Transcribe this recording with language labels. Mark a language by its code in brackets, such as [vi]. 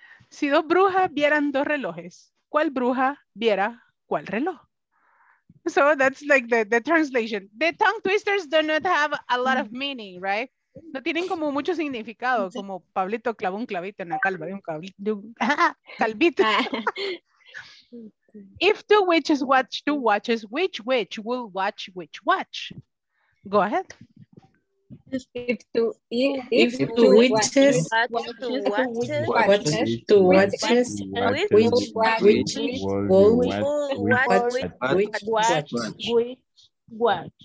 [es] Si dos brujas vieran dos relojes, ¿cuál bruja viera cuál reloj? [en] So that's like the translation. The tongue twisters do not have a lot of meaning, right? [es] No tienen como mucho significado, como Pablito clavó un clavito en la calva de un calvito. [en] If two witches watch two watches, which witch will watch which watch? Go ahead. If two witches watch which watch.